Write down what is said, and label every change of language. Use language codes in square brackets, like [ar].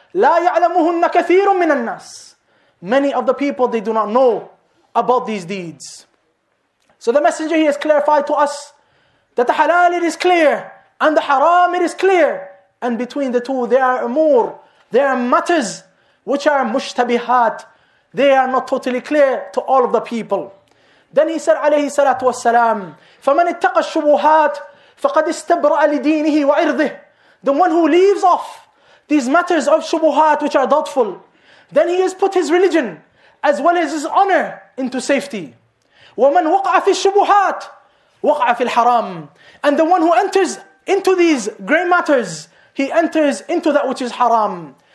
[ar] La ya'lamuhunna kathirun min an-nas. [en] Many of the people, they do not know about these deeds. So the Messenger, he has clarified to us that the halal, it is clear, and the haram, it is clear, and between the two there are umur, there are matters which are mushtabihat, they are not totally clear to all of the people. Then he said [ar] alayhi salatu wasalam, فَمَنْ اتَّقَ الشُّبُهَاتِ فَقَدْ اسْتَبْرَأَ لِدِينِهِ وَعِرْضِهِ. [en] The one who leaves off these matters of shubuhat which are doubtful, then he has put his religion as well as his honor into safety. [ar] وَمَنْ وَقْعَ فِي الشُّبُهَاتِ وَقْعَ فِي الْحَرَامِ. [en] And the one who enters into these gray matters, he enters into that which is haram.